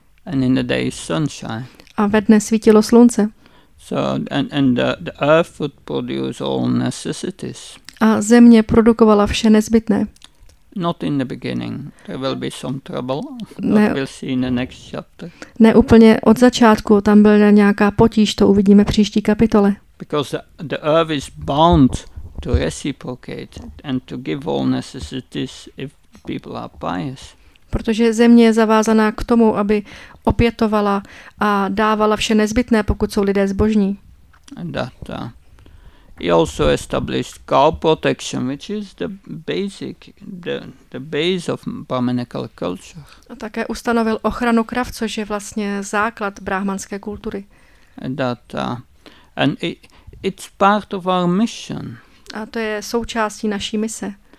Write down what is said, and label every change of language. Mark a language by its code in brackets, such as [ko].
[en] And in the day sunshine. [cs] A ve dne svítilo slunce. [en] So and the earth would produce all necessities. [cs] A země produkovala vše nezbytné. [en] Not in the beginning. There will be some trouble. Ne, that we'll see in the next chapter. [cs] Ne úplně od začátku, tam byla nějaká potíž, to uvidíme v příští kapitole. [en] Because the earth is bound to reciprocate and to give all necessities if people are pious. [cs] Protože země je zavázaná k tomu, aby opětovala a dávala vše nezbytné, pokud jsou lidé zbožní. [en] He also established cow protection, which is the basic, the base of brahmanical culture. [cs] A také ustanovil ochranu krav, což je vlastně základ brahmanské kultury. [en] And it's part of our mission. [cs] A to je součástí naší mise.